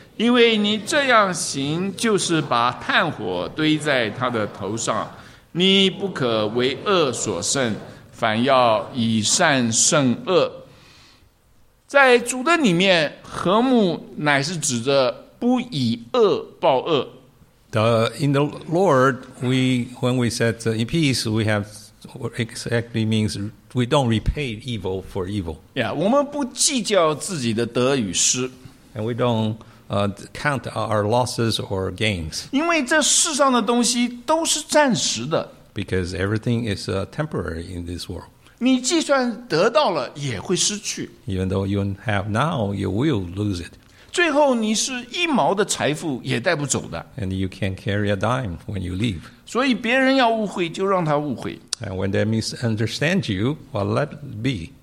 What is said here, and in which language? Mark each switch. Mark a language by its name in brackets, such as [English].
[Chinese] 因为你这样行，就是把炭火堆在他的头上。你不可为恶所胜，反要以善胜恶。在主的里面，和睦乃是指着不以恶报恶。 [English] In the Lord, when we said in peace, we have exactly means we don't repay evil for evil. [Chinese] Yeah, 我们不计较自己的得与失。 [English] And we don't count our losses or gains. [Chinese] 因为这世上的东西都是暂时的。 [English] Because everything is temporary in this world. [Chinese] 你计算得到了也会失去。 [English] Even though you have now, you will lose it. [Chinese] 最后你是一毛的财富也带不走的。 [English] And you can't carry a dime when you leave. [Chinese] 所以别人要误会就让他误会。 [English] And when they misunderstand you, well, let it be.